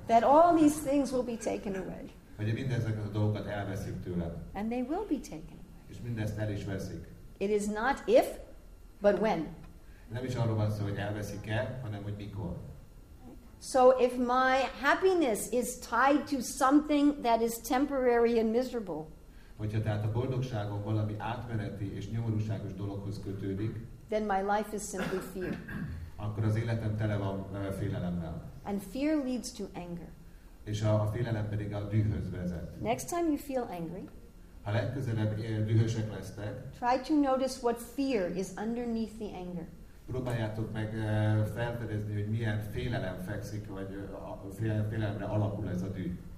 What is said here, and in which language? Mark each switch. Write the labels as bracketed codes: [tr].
[en] That all these things will be taken away. [hu] Hogy mindezek a dolgokat elveszik tőlem. [en] And they will be taken away. [hu] És mindezt el is veszik. [en] It is not if, but when. [hu] Nem is arról van szó, hogy elveszik-e, hanem hogy mikor. [en] So if my happiness is tied to something that is temporary and miserable. [hu] Hogyha tehát a boldogságom valami átmeneti és nyomorúságos dologhoz kötődik. [en] Then my life is simply fear. [hu] Akkor az életem tele van félelemmel. [en] And fear leads to anger. [hu] És a félelem pedig a dühhöz vezet. [en] Next time you feel angry. [hu] Ha legközelebb dühösek lesztek. [en] Try to notice what fear is underneath the anger. [hu] Próbáljátok meg felfedezni, hogy milyen félelem fekszik, vagy félelemre alakul ez a düh.